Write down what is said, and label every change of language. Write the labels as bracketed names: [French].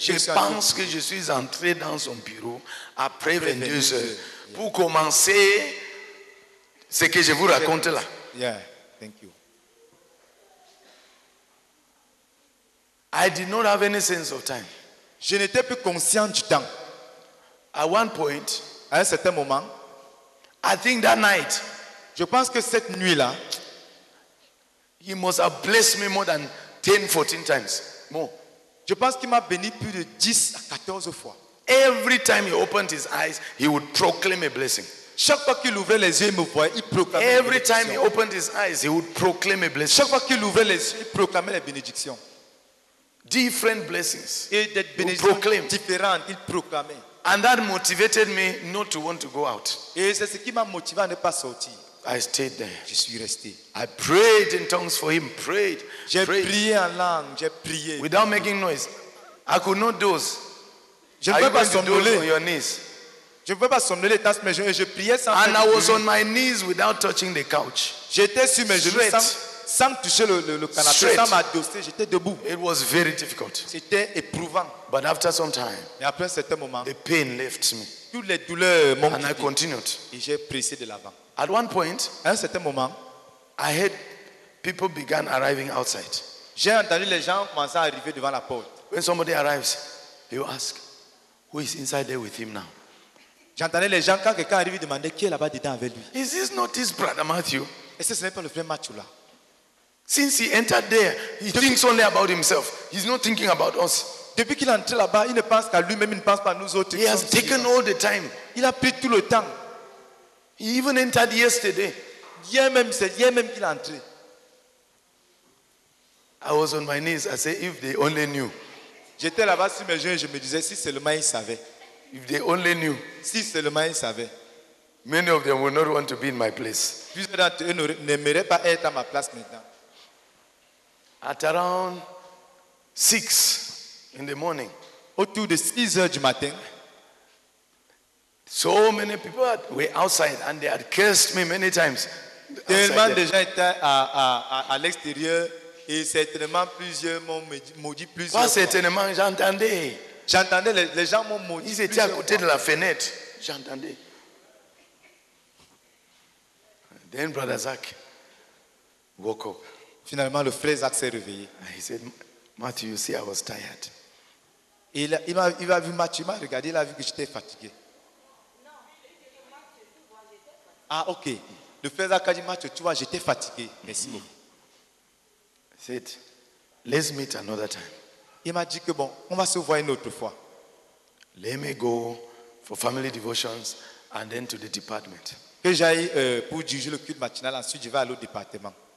[French] je pense que je suis entré dans son bureau après 22 heures. [English] Yeah. [French] Pour commencer ce que je vous raconte là. [English] Yeah, thank you. I did not have any sense of time. [French] Je n'étais plus conscient du temps. [English] At one point, [French] à un certain moment, [English] I think that night, [French] je pense que cette nuit-là, [English] he must have blessed me more than 10, 14 times more. [French] Je pense qu'il m'a béni plus de 10 à 14 fois. [English] Every time he opened his eyes, he would proclaim a blessing. [French] Chaque fois qu'il ouvrait les yeux, il me voyait, il proclamait. [English] Every time he opened his eyes, he would proclaim a blessing. [French] Chaque fois qu'il ouvrait les yeux, il proclamait les bénédictions. [English] Different blessings. [French] Et proclaim. Différentes, il proclamait. [English] And that motivated me not to want to go out. [French] Et c'est ce qui m'a motivé à ne pas sortir. [English] I stayed there. [French] Je suis resté. [English] I prayed in tongues for him. Prayed. [French] J'ai prié en langue. J'ai prié. [English] Without making noise. I could not doze. [French] Je ne pouvais pas somnoler. [English] On your knees. [French] Je ne pouvais pas somnoler les tasses, mais je priais sans. [English] And I was on my knees without touching the couch. [French] J'étais sur mes genoux sans toucher le canapé. [English] Straight. [French] Sans m'adosser, j'étais debout. [English] It was very difficult. [French] C'était éprouvant. [English] But after some time, [French] mais après un certain moment, [English] the pain left me. [French] Toutes les douleurs m'ont quitté. [English] And I continued. [French] Et j'ai pressé de l'avant. [English] At one point, [French] à un certain moment, [English] I heard people began arriving outside. [French] J'ai entendu les gens commencer à arriver devant la porte. [English] When somebody arrives, you ask, who is inside there with him now? [French] J'entendais les gens quand quelqu'un arrive demander qui est là-bas dedans avec lui. [English] Is this not his brother Matthew? [French] Est-ce que ce n'est pas le frère Mathieu là? [English] Since he entered there, he thinks only about himself. He's not thinking about us. [French] Depuis qu'il est entré là-bas, il ne pense qu'à lui-même, il ne pense pas à nous autres. [English] He has taken all the time. [French] Il a pris tout le temps. [English] He even entered yesterday. [French] Hier même qu'il est entré. [English] I was on my knees. I said, if they only knew. [French] J'étais là-bas sur mes genoux et je me disais, si seulement ils savaient. [English] If they only knew. [French] Si seulement ils savaient. [English] Many of them would not want to be in my place. [French] Plusieurs d'entre eux n'aimeraient pas être à ma place maintenant. [English] At around 6 in the morning. [French] Autour de 6 heures du matin. [English] So many people were outside and they had cursed me many times. [French] Tellement de gens étaient à l'extérieur et certainement plusieurs m'ont maudit plusieurs fois. Pas certainement, j'entendais. J'entendais les gens m'ont maudit. Ils étaient à côté de la fenêtre. J'entendais. [English] Then Brother Zach woke up. [French] Finalement, le frère Zach s'est réveillé. [English] He said, Matthew, you see, I was tired. [French] Il a vu Matthew, il m'a regardé, il a vu que j'étais fatigué. Ah, ok. Le frère Zach a dit, Matthew, tu vois, j'étais fatigué. Merci beaucoup. [English] He said, let's meet another time. [French] Il m'a dit que bon, on va se voir une autre fois. [English] Let me go for family devotions and then to the department. [French] Que j'aille pour diriger le culte matinal, ensuite je vais à l'autre département.